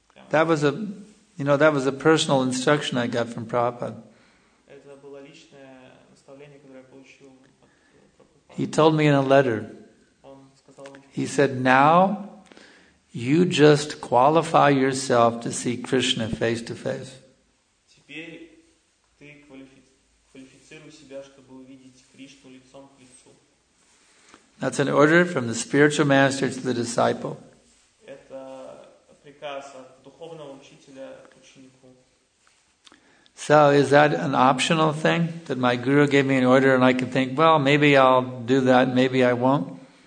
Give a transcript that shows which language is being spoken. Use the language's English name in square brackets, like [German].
[English] That was a personal instruction I got from Prabhupada. [Russian] личное наставление, которое я получил от Прабхупады. [English] He told me in a letter. He said, "Now you just qualify yourself to see Krishna face to face." [Russian] Теперь ты квалифицируй себя, чтобы увидеть Кришну лицом к лицу. [English] That's an order from the spiritual master to the disciple. [Russian] Это приказ от духовного учителя к ученику. [English] So is that an optional thing that my guru gave me an order and I can think, well, maybe I'll do that, maybe I won't?